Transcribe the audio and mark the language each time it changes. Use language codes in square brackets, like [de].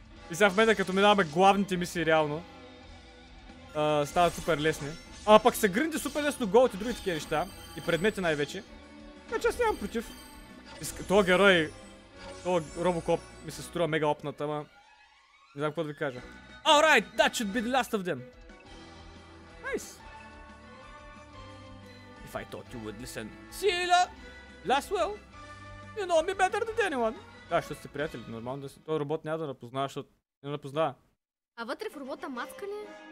[bg] И сега в момента като минаваме главните мисии реално, стават супер лесни. А пък се гринди супер лесно голд и други такива неща и предмети най-вече. Така че аз нямам против. Тоя герой, тоя робокоп ми се струва мега опната, ама не знам какво да ви кажа. [en] Alright, that should be the last of them. Nice. If I thought you would listen. See ya. Last will. You know me better than anyone. [bg] Да, защото сте приятели, нормално да си. Той робот няма да напознаваш, защото не напознава. А вътре в робота маска ли е?